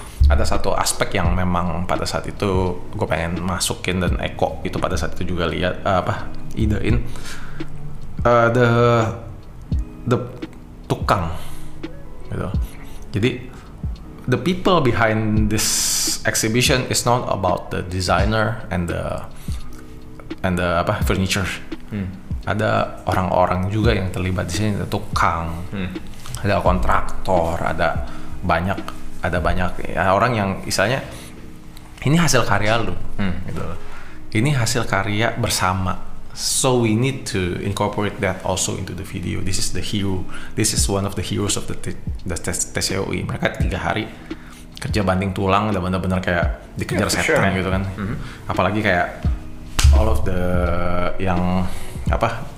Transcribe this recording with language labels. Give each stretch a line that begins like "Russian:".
Indonesian: Ada satu aspek yang memang pada saat itu gue pengen masukin, dan Echo itu pada saat itu juga lihat idein the tukang gitu.
English: Jadi the people behind this exhibition is not about the designer and the furniture.
Indonesian: Ada orang-orang juga yang terlibat di sini, ada tukang, ada kontraktor, ada banyak ya, orang yang misalnya ini hasil karya lu, gitu. Ini hasil karya bersama,
English: so we need to incorporate that also into the video. This is the hero, this is one of the heroes of the TCOE.
Indonesian: Mereka 3 hari kerja banting tulang dan benar-benar kayak dikejar setan, sure. Gitu kan. Apalagi kayak
English: all of the
Indonesian: yang apa